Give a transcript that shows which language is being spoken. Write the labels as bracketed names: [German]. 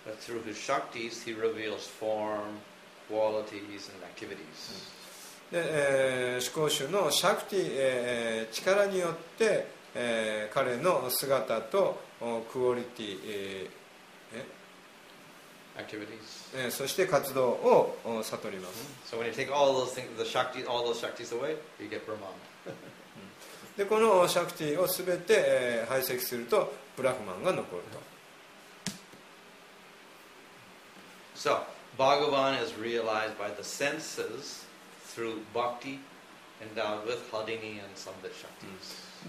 [English] But through his shaktis, he reveals form, qualities and activities. [Japanese] で、思考衆のシャクティ、力によって、彼の姿とクオリティ、 [English] Activities. [Japanese] そして活動を悟ります。 [English] So when you take all those things, the shakti, all those shaktis away, you get Brahman. [Japanese] で、このシャクティをすべて排斥するとブラフマンが残ると。 [English] So Bhagavan is realized by the senses through bhakti, endowed with hadini and sambhav shaktis.